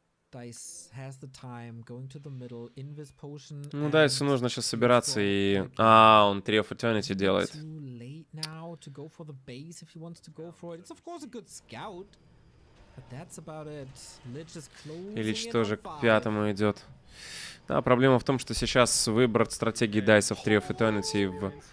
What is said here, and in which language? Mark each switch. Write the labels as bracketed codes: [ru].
[en] Dice has the time, going to the middle, invis potion. [ru] Ну, Дайсу нужно сейчас собираться и... А, он 3 of Eternity делает. [en] Too late now to go for the base if he wants to go for it. It's of course a good scout, but that's about it. Lich is closing. [ru] И Лич тоже к пятому идет. Да, проблема в том, что сейчас выбор стратегии Дайса в 3 of Eternity и в...